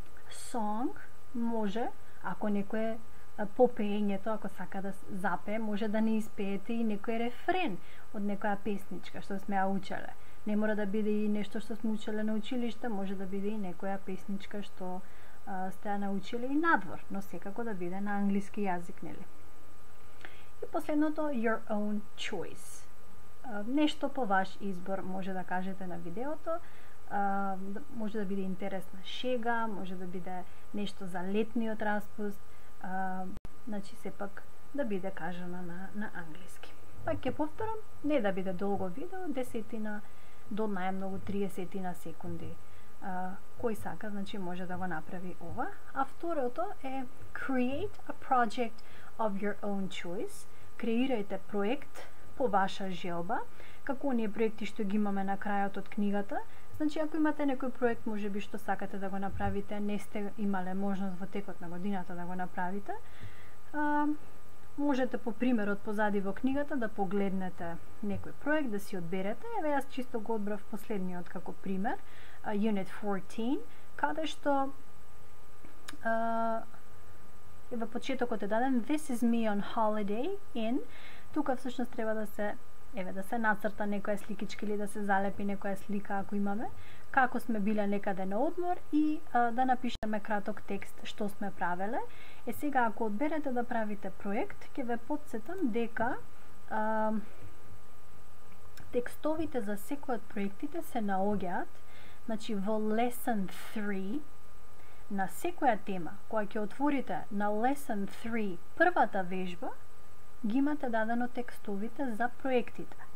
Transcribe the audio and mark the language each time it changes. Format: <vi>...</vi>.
<mk>Song може, ако некој е попеењето, ако сака да запее, може да не испеете и некој рефрен од некоја песничка што сме ја учеле. Не мора да биде и нешто што сме учеле на училиште, може да биде и некоја песничка што сте ја научили и надвор, но секако да биде на англиски јазик, нели? И последното,</mk> <en>your own choice.</en> <mk>Нешто по ваш избор може да кажете на видеото, може да биде интересна шега, може да биде нешто за летниот распуст, значи сепак да биде кажано на англиски. Па ќе повторам, не да биде долго видео, 10 до најмногу 30 секунди. Кој сака, значи може да го направи ова. А второто е</mk> <en>create a project of your own choice.</en> <mk>Креирајте проект по ваша желба. Како оние проекти што ги имаме на крајот од книгата. Значи, ако имате некој проект, може би што сакате да го направите, не сте имале можност во текот на годината да го направите, можете по примерот позади во книгата да погледнете некој проект, да си одберете. Еве, јас чисто го одбрав последниот како пример, Unit 14, каде што и во почетокот е даден</mk> <en>This is me on holiday in.</en> <mk>Тука всушност треба да се, еве, да се нацрта некоја сликичка или да се залепи некоја слика ако имаме, како сме биле некаде на одмор и да напишеме краток текст што сме правеле. Е сега ако одберете да правите проект, ќе ве потсетам дека текстовите за секој од проектите се наоѓаат, значи во lesson 3 на секоја тема која ќе отворите на lesson 3, првата вежба ги имате дадено текстовите за проектите.</mk>